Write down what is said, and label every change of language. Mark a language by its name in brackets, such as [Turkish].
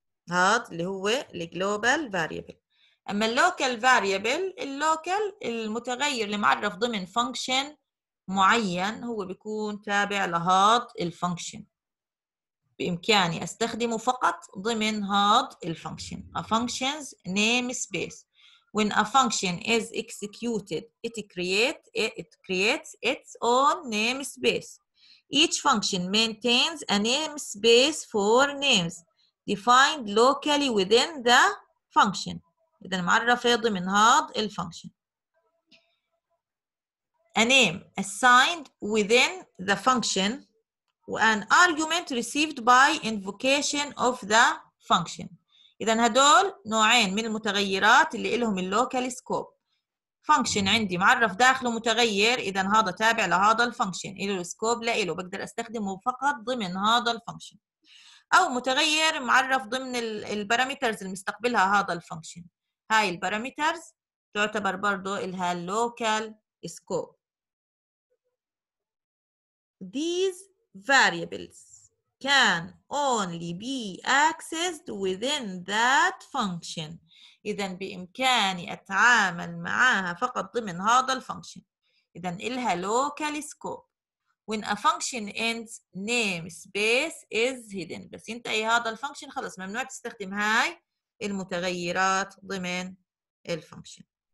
[Arabic] هاد اللي هو global variable. أما local variable اللوكال المتغير اللي معرف ضمن function معين هو بيكون تابع لهاد الفانكشن. بإمكاني أستخدمه فقط ضمن هاد الفانكشن. [English] A function's namespace. When a function is executed, it creates its own namespace. Each function maintains a namespace for names defined locally within the function. [Arabic] إذا معرفة ضمن هاد الفانكشن. [English] A name assigned within the function, an argument received by invocation of the function. [Arabic] إذا هدول نوعين من المتغيرات اللي إلهم اللوكال سكوب. Function عندي معرف داخله متغير، إذا هذا تابع لهذا الفانكشن، إله سكوب لإله، بقدر أستخدمه فقط ضمن هذا الفانكشن. أو متغير معرف ضمن البارامترز اللي مستقبلها هذا الفانكشن. هاي البارامترز تعتبر برضه إلها اللوكال سكوب. [English] These variables can only be accessed within that function. [Arabic] إذا بإمكاني أتعامل معها فقط ضمن هذا الفانكشن. إذا إلها [English] local scope. When a function ends, namespace is hidden. [Arabic] بس ينتهي هذا الفانكشن خلص ممنوع تستخدم هاي المتغيرات ضمن الفانكشن.